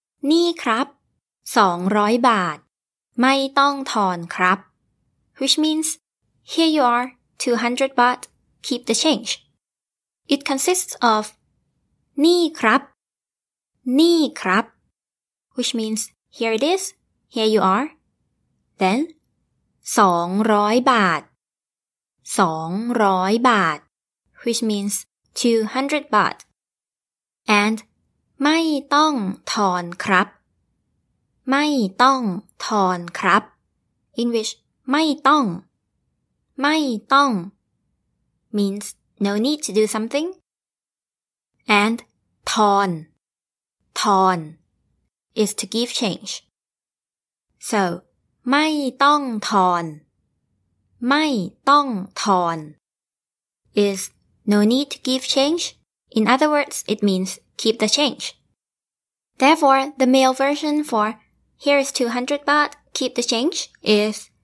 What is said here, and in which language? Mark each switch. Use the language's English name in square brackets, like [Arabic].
[Thai] นี่ครับ200บาทไม่ต้องทอนครับ [English] Which means here you are 200 baht keep the change It consists of [Thai] นี่ครับนี่ครับ [English] Which means here it is here you are [Thai] Then 200บาท200บาท [English] which means 200 baht [Thai] and ไม่ต้องทอนครับไม่ต้องทอนครับ in which ไม่ต้อง ไม่ต้อง [English] means no need to do something [Thai] and ทอนทอน [English] is to give change [Thai] so ไม่ต้องทอนไม่ต้องทอน [English] is no need to give change. In other words, it means keep the change. Therefore, the male version for here is 200 baht, keep the change is